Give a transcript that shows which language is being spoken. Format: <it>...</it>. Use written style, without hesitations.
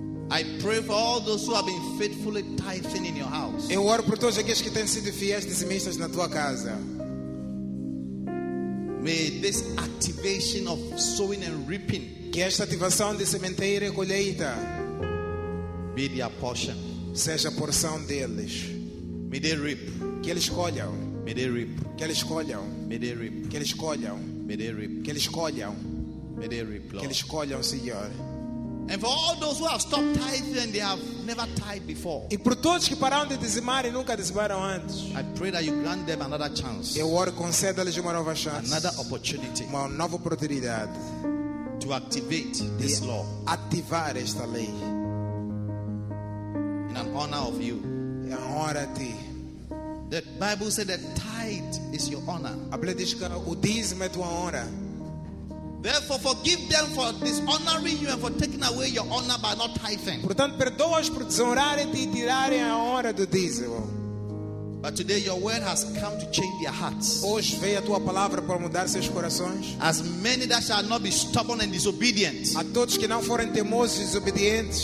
<en>I pray for all those who have been faithfully tithing in your house.</en> <pt>Eu oro por todos aqueles que têm sido fiéis dizimistas na tua casa.</pt> <en>May this activation of sowing and reaping,</en> <pt>que esta ativação de sementeira e colheita,</pt> <en>be their portion,</en> <pt>seja a porção deles.</pt> <en>May they reap,</en> <pt>que eles colham.</pt> <en>May they reap,</en> <pt>que eles colham.</pt> <en>May they reap,</en> <pt>que eles colham.</pt> <en>May they reap.</en> <pt>Que eles escolham.</pt> <en>May they reap, Lord.</en> <pt>Que eles escolham, Senhor.</pt> <en>And for all those who have stopped tithing and they have never tithed before,</en> <pt>e por todos que pararam de dizimar e nunca dizimaram antes,</pt> <en>I pray that you grant them another chance.</en> <pt>Eu oro, conceda-lhes uma nova chance.</pt> <en>Another opportunity.</en> <pt>Uma nova oportunidade.</pt> <en>To activate this law.</en> <pt>Ativar esta lei.</pt> <en>In honor of you.</en> <pt>Em honra a ti.</pt> <en>The Bible said that tithe is your honor.</en> <pt>A Bíblia diz que o dízimo é tua honra.</pt> <en>Therefore, forgive them for dishonoring you and for taking away your honor by not tithing.</en> <pt>Portanto, perdoa-os por desonrarem-te e tirarem a honra do dízimo.</pt> <en>But today your word has come to change their hearts.</en> <pt>Hoje veio a tua palavra para mudar seus corações.</pt> <en>As many that shall not be stubborn and disobedient.</en> <pt>A todos que não forem teimosos e desobedientes.</pt>